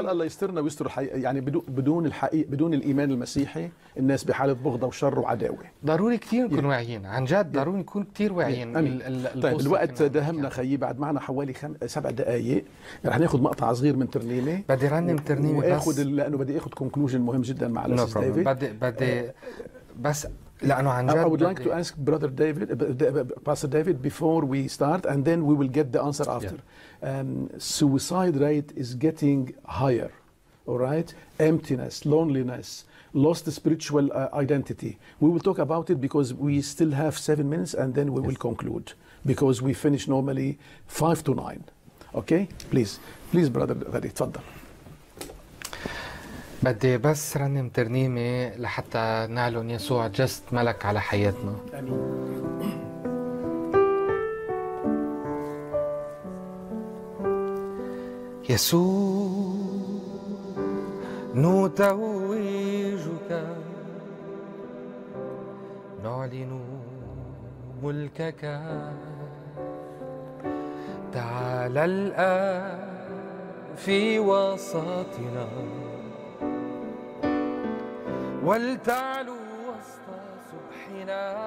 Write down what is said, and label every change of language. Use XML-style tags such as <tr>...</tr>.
<ar>الله يسترنا ويستر الحقيقة، يعني بدون الحقيقة بدون الإيمان المسيحي الناس بحالة بغضة وشر وعداوة. ضروري كثير نكون واعيين، عن جد ضروري نكون كثير واعيين. طيب الوقت داهمنا يعني. خيي بعد معنا حوالي 7 دقائق رح ناخذ مقطع صغير من ترنيمة، بدي رنم ترنيمة وآخذ لأنه بدي آخذ كونكلوجن مهم جدا مع الأستاذ ديفيد. بدي بس لأنه عن جد</ar> <en>I would like to ask brother David, Pastor David before we start and then we will get the answer after. Suicide rate is getting higher, all right? Emptiness, loneliness, lost spiritual identity. We will talk about it because we still have 7 minutes and then we will conclude because we finish normally 5 to 9. Okay, please, please, brother David,</en> <ar>تفضل. بدي بس رنم ترنيمة لحتى نعلن يسوع جست ملك على حياتنا. أمين. يسوع نتوجك نعلن ملكك، تعال الآن في وسطنا ولتعلو وسط سبحنا</ar>